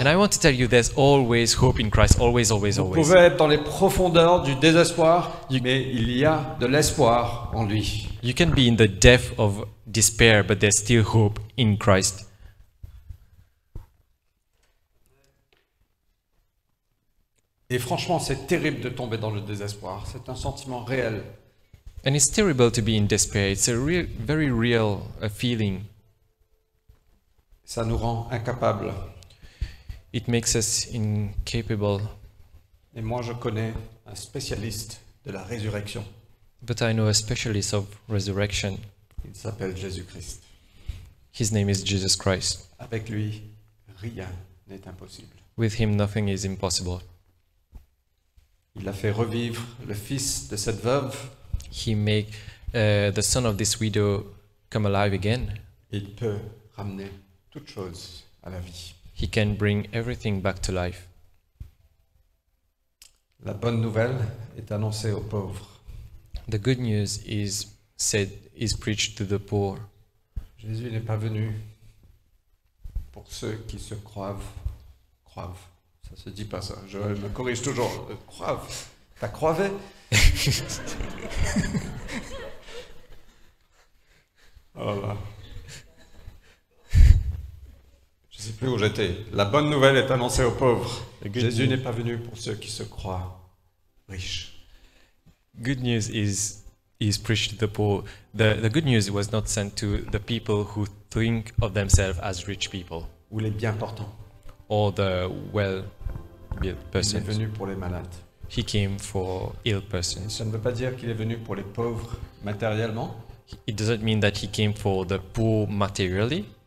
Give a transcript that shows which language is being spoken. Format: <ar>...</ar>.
<en>And I want to tell you, there's always hope in Christ. Always.</en> <fr>Vous pouvez être dans les profondeurs du désespoir, mais il y a de l'espoir en lui.</fr> <en>You can be in the depth of despair, but there's still hope in Christ.</en> <fr>Et franchement, c'est terrible de tomber dans le désespoir. C'est un sentiment réel.</fr> <en>And it's terrible to be in despair. It's a real, very real a feeling.</en> <fr>Ça nous rend incapables.</fr> <en>It makes us incapable.</en> <fr>Et moi, je connais un spécialiste de la résurrection.</fr> <en>But I know a specialist of resurrection.</en> <fr>Il s'appelle Jésus-Christ.</fr> <en>His name is Jesus Christ.</en> <fr>Avec lui, rien n'est impossible.</fr> <en>With him, nothing is impossible.</en> <fr>Il a fait revivre le fils de cette veuve.</fr> <en>He make the son of this widow come alive again.</en> <fr>Il peut ramener toute chose à la vie.</fr> <en>He can bring everything back to life.</en> <fr>La bonne nouvelle est annoncée aux pauvres.</fr> <en>The good news is preached to the poor.</en> <fr>Jésus n'est pas venu pour ceux qui se croivent. Ça se dit pas ça. Je me corrige toujours. Croive. T'as croivé? Oh là. Je sais plus où j'étais. La bonne nouvelle est annoncée aux pauvres. Jésus n'est pas venu pour ceux qui se croient riches.</fr> <en>Good news is preached to the poor. The good news was not sent to the people who think of themselves as rich people.</en> <fr>Ou les bien portants.</fr> <en>Or the well.</en> <fr>Il est venu pour les malades.</fr> <en>He came for ill persons.</en> <fr>Ça ne veut pas dire qu'il est venu pour les pauvres matériellement.</fr> <en>It doesn't mean that he came for the poor materially.</en>